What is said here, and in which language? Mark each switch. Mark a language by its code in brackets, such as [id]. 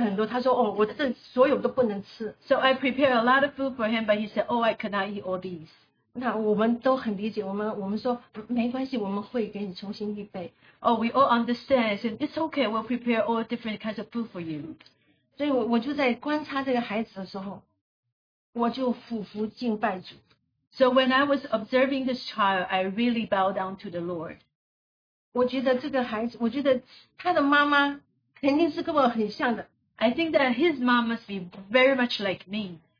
[zh] 所以一进来的时候，那我们是很理解的。他告诉我们，我准备了很多。他说，哦，我这所有都不能吃。So [en] I prepared a lot of food for him, but he said, oh, I cannot eat all these. [zh] 那我们都很理解，我们说没关系，我们会给你重新预备。Oh, [en] we all understand. So it's okay. We'll prepare all different kinds of food for you. [zh] 所以我就在观察这个孩子的时候，我就俯伏敬拜主。 [en] So when I was observing this child, I really bowed down to the Lord. [zh] 我觉得这个孩子，我觉得他的妈妈肯定是跟我很像的。I [en] think that his mom must be very much like me.